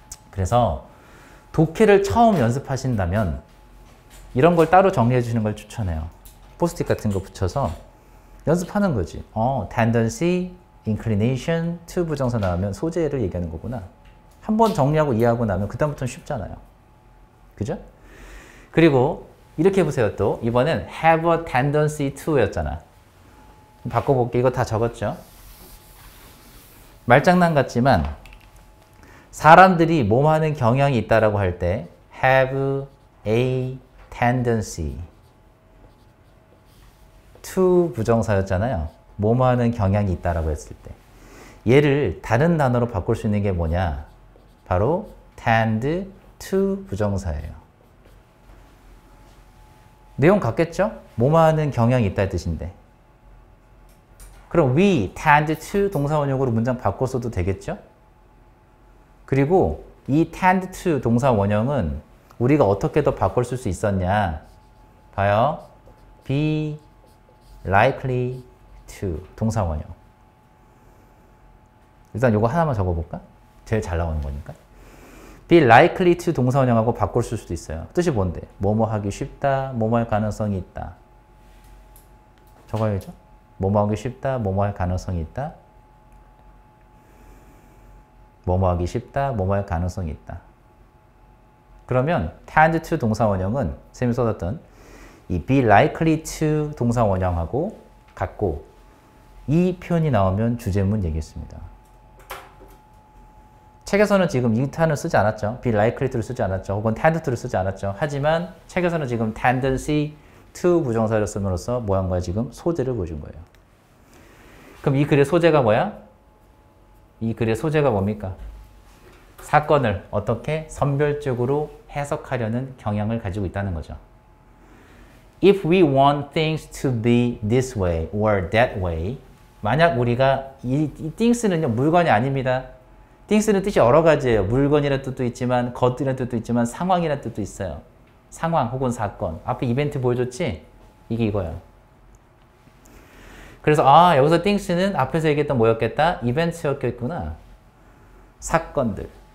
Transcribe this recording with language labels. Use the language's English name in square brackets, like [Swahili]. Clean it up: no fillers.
[Korean] 그래서 독해를 처음 연습하신다면 이런 걸 따로 정리해 주시는 걸 추천해요. 포스트잇 같은 거 붙여서 연습하는 거지. [English] tendency, inclination, to [Korean] 부정사 나오면 소재를 얘기하는 거구나. 한번 정리하고 이해하고 나면 그다음부터는 쉽잖아요. 그죠? 그리고 이렇게 해보세요. 또 이번엔 [English] have a tendency to [Korean] 였잖아. 바꿔볼게. 이거 다 적었죠? 말장난 같지만 사람들이 몸 하는 경향이 있다라고 할 때 [English] have a tendency to [Korean] 부정사였잖아요. 몸 하는 경향이 있다라고 했을 때 얘를 다른 단어로 바꿀 수 있는 게 뭐냐? 바로 [English] tend to [Korean] 부정사예요. 내용 같겠죠? 몸 하는 경향이 있다의 뜻인데 그럼 [English] we tend to [Korean] 동사원형으로 문장 바꿨어도 되겠죠? 그리고 이 [English] tend to [Korean] 동사원형은 우리가 어떻게 더 바꿀 수 있었냐? 봐요. [English] be likely to [Korean] 동사원형. 일단 이거 하나만 적어볼까? 제일 잘 나오는 거니까. [English] be likely to [Korean] 동사원형하고 바꿀 수도 있어요. 뜻이 뭔데? 뭐뭐 하기 쉽다, 뭐뭐 할 가능성이 있다. 적어야죠. 뭐뭐 하기 쉽다, 뭐뭐 할 가능성이 있다. 뭐뭐 하기 쉽다, 뭐뭐 할 가능성이 있다. 그러면 [English] tend to [Korean] 동사원형은 쌤이 써놨던 이 [English] be likely to [Korean] 동사원형하고 같고 이 표현이 나오면 주제문 얘기했습니다. 책에서는 지금 it을 쓰지 않았죠. [English] be likely to [Korean] 를 쓰지 않았죠. 혹은 [English] tend to [Korean] 를 쓰지 않았죠. 하지만 책에서는 지금 [English] tendency to [Korean] 부정사를 쓰므로써 뭐한 거야 지금? 소재를 보여준 거예요. 그럼 이 글의 소재가 뭐야? 이 글의 소재가 뭡니까? 사건을 어떻게 선별적으로 해석하려는 경향을 가지고 있다는 거죠. [English] If we want things to be this way or that way, [Korean] 만약 우리가 이 things는요, 물건이 아닙니다. things는 뜻이 여러 가지예요. 물건이라는 뜻도 있지만, 것들이라는 뜻도 있지만, 상황이라는 뜻도 있어요. 상황 혹은 사건. 앞에 이벤트 보여줬지? 이게 이거예요. 그래서 아, 여기서 things는 앞에서 얘기했던 뭐였겠다? 이벤트였겠구나. 사건들.